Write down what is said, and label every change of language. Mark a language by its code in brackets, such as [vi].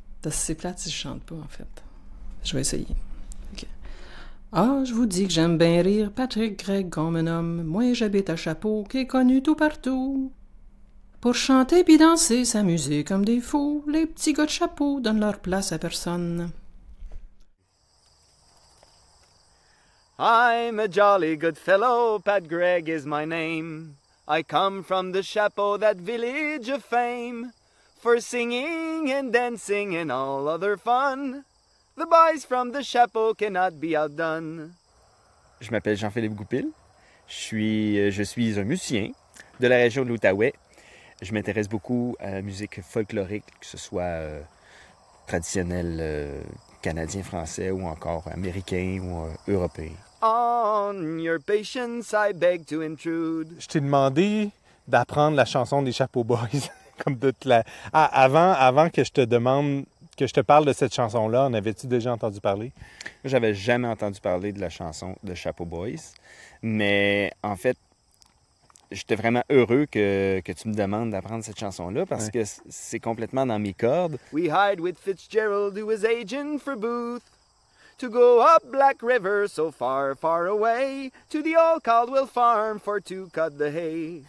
[fr] C'est plate si je chante pas, en fait. Je vais essayer. Ah, je vous dis que j'aime bien rire, Patrick Gregg, qu'on me nomme. Moi, j'habite à Chapeau, qui est connu tout partout. Pour chanter puis danser, s'amuser comme des fous, les petits gars de Chapeau donnent leur place à personne. [en] I'm a jolly good fellow, Pat Gregg is my name. I come from the Chapeau, that village of fame. For singing and dancing and all other fun. The boys from the Chapeau cannot be outdone. [fr] Je m'appelle Jean-Philippe Goupil. Je suis un musicien de la région de l'Outaouais. Je m'intéresse beaucoup à la musique folklorique, que ce soit traditionnelle canadien, français ou encore américain ou européen. [en] On your patience, I beg to intrude. [fr] Je t'ai demandé d'apprendre la chanson des Chapeau Boys. Comme de te la... avant que je te demande... que je te parle de cette chanson-là, en avais-tu déjà entendu parler? J'avais jamais entendu parler de la chanson de Chapeau Boys, mais en fait, j'étais vraiment heureux que tu me demandes d'apprendre cette chanson-là parce ouais. Que c'est complètement dans mes cordes. [en] We hide with Fitzgerald, who is agent for Booth, to go up Black River so far, far away, to the old Caldwell farm for to cut the hay.